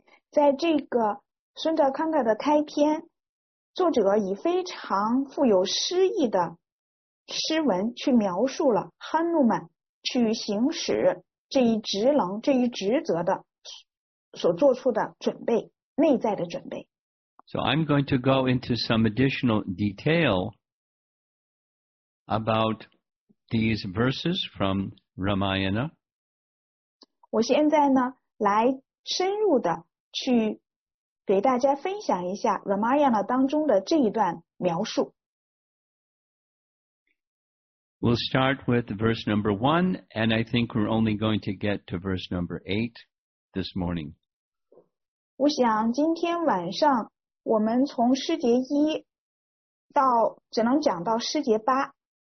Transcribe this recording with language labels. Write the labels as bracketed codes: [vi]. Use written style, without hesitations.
[zh] 在这个孙德康达的开篇，作者以非常富有诗意的诗文去描述了哈努曼去行使这一职能，这一职责的所做出的准备，内在的准备。 [en] So I'm going to go into some additional detail about these verses from Ramayana. [zh] 我现在呢，来深入的去给大家分享一下 Ramayana 当中的这一段描述。 [en] We'll start with verse number 1, and I think we're only going to get to verse number 8 this morning. [zh] 我想今天晚上我们从诗节一到只能讲到诗节八。